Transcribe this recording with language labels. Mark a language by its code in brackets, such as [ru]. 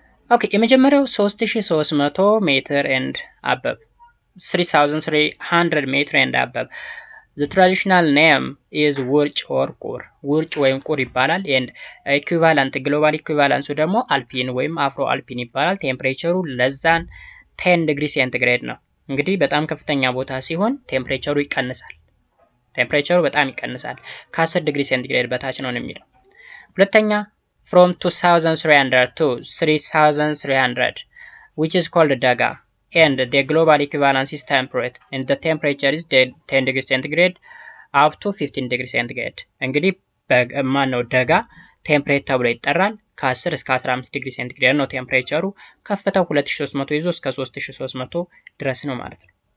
[en] okay [am] የመጀመሪያው [en] 3300 meter and above 3300 meter and above The traditional name is ውርጭ or ቁር. [am] ውርጭ ወይም ቁር ይባላል [en] and equivalent global equivalence [am] ደግሞ alpine ወይም afro alpine ይባላል. [en] temperature ለዛን 10 degree centigrade ነው. [am] እንግዲህ በጣም ከፍተኛ ቦታ ሲሆን temperature ይቀንሳል. temperature በጣም ይቀንሳል. ከ10 degree centigrade በታች ነው የሚለው. [en] ሁለተኛ from 2300 to 3300 which is called daga. and the global equivalence is temperate and the temperature is 10 degrees centigrade up to 15 degrees centigrade [am] እንግዲህ በማነው ደጋ temperate ተብሎ ይጠራል ከ10 እስከ 15 degrees centigrade ነው temperature ከፍታው 2300 ይዞ እስከ 3300 ድረስ ነው ማለት ነው